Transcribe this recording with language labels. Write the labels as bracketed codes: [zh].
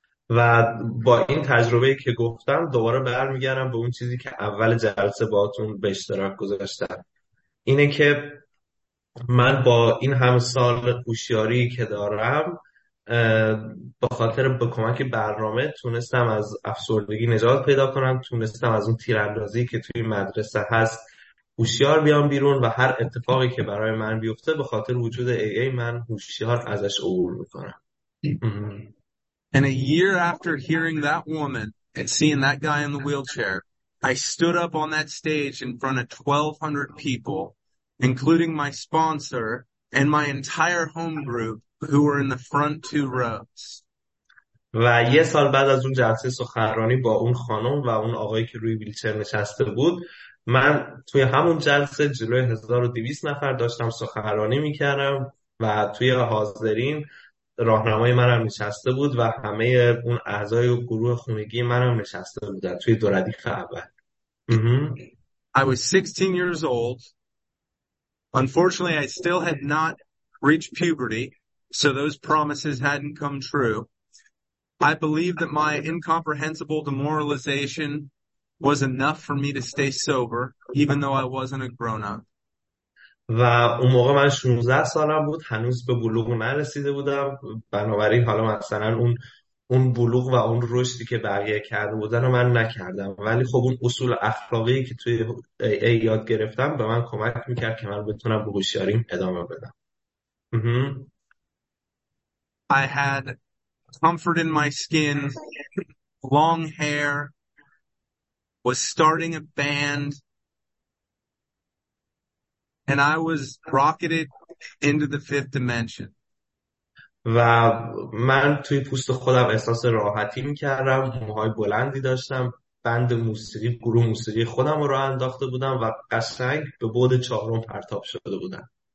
[fa] و با این تجربه که گفتم دوباره برمیگردم به اون چیزی که اول جلسه باهاتون به اشتراک گذاشتم، اینه که من با این همه سال هوشیاری که دارم به خاطر به کمک برنامه تونستم از افسردگی نجات پیدا کنم، تونستم از اون تیراندازی که توی مدرسه هست هوشیار بیام بیرون و هر اتفاقی که برای من بیفته به خاطر وجود AA من هوشیار ازش عبور میکنم. [en] And a year after hearing that woman and seeing that guy in the wheelchair, I stood up on that stage in front of 1,200 people, including my sponsor and my entire home group who were in the front two rows. [fa] و یه سال بعد از اون جلسه سخنرانی با اون خانم و اون آقایی که روی ویلچر نشسته بود، من توی همون جلسه جلوی 1200 نفر داشتم سخنرانی میکردم و توی حاضرین راهنمای منم نشسته بود و همه اون اعضای و گروه خونگی منم نشسته بودن توی دو ردیف اول. [en] I was 16 years old. Unfortunately, I still had not reached puberty, so those promises hadn't come true. I believed that my incomprehensible demoralization was enough for me to stay sober, even though I wasn't a grown-up. [fa] و اون موقع من 16 سالم بود، هنوز به بلوغ نرسیده بودم، بنابراین حالا مثلا اون بلوغ و اون رشدی که بقیه کرده بودن رو من نکردم، ولی خب اون اصول اخلاقی که توی AA یاد گرفتم به من کمک میکرد که من بتونم به هوشیاریم ادامه بدم. [en] I had comfort in my skin, long hair, was starting a band, and I was rocketed into the fifth dimension. [fa] و من توی پوست خودم احساس راحتی میکردم، موهای بلندی داشتم، بند موسیقی، گروه موسیقی خودم رو راه انداخته بودم و قشنگ به بعد چهارم پرتاب شده بودم.